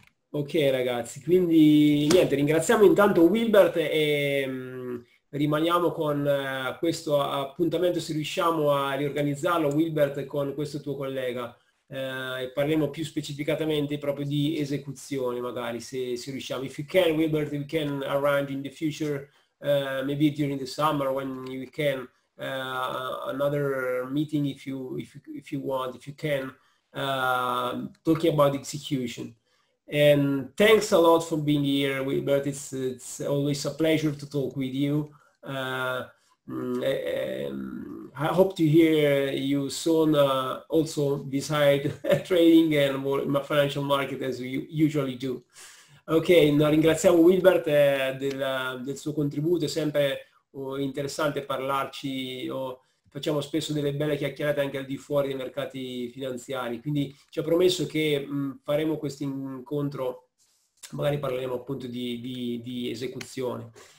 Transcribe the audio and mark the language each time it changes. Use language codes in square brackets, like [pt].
[it] Ok, ragazzi, quindi niente, ringraziamo intanto Wilbert e rimaniamo con questo appuntamento, se riusciamo a riorganizzarlo, Wilbert, con questo tuo collega, e parleremo più specificatamente proprio di esecuzione, magari, se riusciamo. [en] If you can, Wilbert, we can arrange in the future, maybe during the summer when you can, another meeting if you want. Talking about execution, and thanks a lot for being here, Wilbert. It's always a pleasure to talk with you. I hope to hear you soon also beside trading and more in my financial market as you usually do. [it] Ok, no, ringraziamo Wilbert del suo contributo, è sempre interessante parlarci, facciamo spesso delle belle chiacchierate anche al di fuori dei mercati finanziari, quindi ci ha promesso che faremo questo incontro, magari parleremo appunto di esecuzione.